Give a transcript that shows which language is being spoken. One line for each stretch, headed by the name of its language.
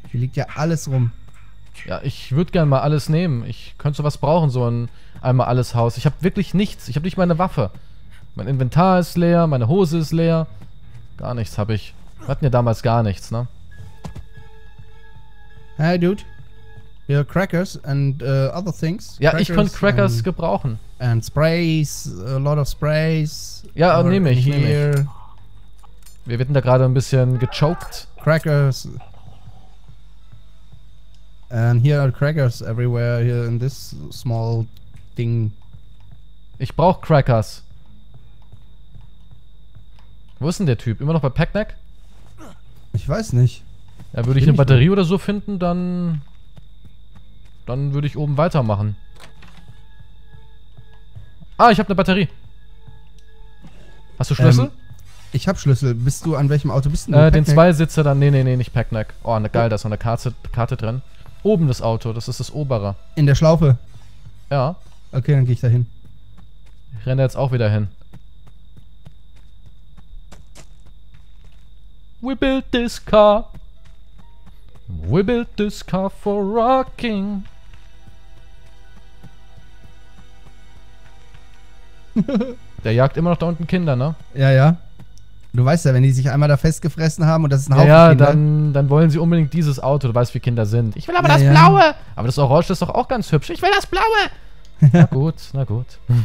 German: Hier liegt ja alles rum. Ja, ich würde gerne mal alles nehmen. Ich könnte sowas brauchen, so ein Einmal-Alles-Haus. Ich habe wirklich nichts. Ich habe nicht meine Waffe. Mein Inventar ist leer, meine Hose ist leer. Gar nichts habe ich. Wir hatten ja damals gar nichts, ne?
English: Hey, Dude. Ja, Crackers and other things.
German: Ja, crackers, ich könnte Crackers gebrauchen.
English: And Sprays, a lot of Sprays.
German: Ja, nehme ich, nehme ich. Wir werden da gerade ein bisschen gechoked. Crackers.
English: And here are Crackers everywhere, here in this small thing.
German: Ich brauche Crackers. Wo ist denn der Typ? Immer noch bei Packneck? Ich weiß nicht. Ja, würde ich eine Batterie nicht oder so finden, dann... Dann würde ich oben weitermachen. Ah, ich habe eine Batterie. Hast du Schlüssel? Ich habe Schlüssel. Bist du an welchem Auto? Bist du den Zweisitzer dann. Nee, nicht Packneck. Oh, ne, geil, da ist noch eine Karte drin. Oben das Auto, das ist das obere. In der Schlaufe? Ja. Okay, dann gehe ich da hin. Ich renne jetzt auch wieder hin.
English: We built this car. We built this car for rocking.
German: Der jagt immer noch da unten Kinder, ne? Ja, ja. Du weißt ja, wenn die sich einmal da festgefressen haben und das ist ein Haufen ja, Kinder. Ja, dann wollen sie unbedingt dieses Auto. Du weißt, wie Kinder sind. Ich will aber ja, das Blaue. Ja. Aber das Orange ist doch auch ganz hübsch. Ich will das Blaue. Na gut.